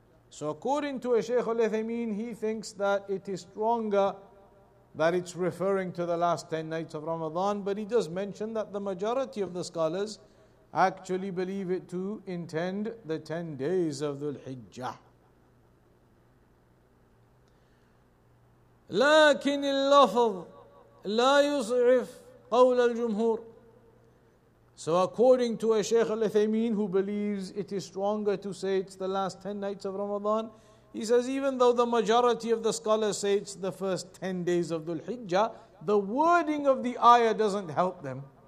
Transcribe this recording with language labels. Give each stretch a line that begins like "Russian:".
English: So according to a Shaykh Al-Uthaymeen, he thinks that it is stronger that it's referring to the last 10 nights of Ramadan, but he does mention that the majority of the scholars actually believe it to intend the 10 days of Dhul Hijjah.
Arabic: لكن اللفظ لا يضعف قول الجمهور.
English: So according to a Shaykh Al-Uthaymeen, who believes it is stronger to say it's the last 10 nights of Ramadan, he says even though the majority of the scholars say it's the first 10 days of Dhul Hijjah, the wording of the ayah doesn't help them.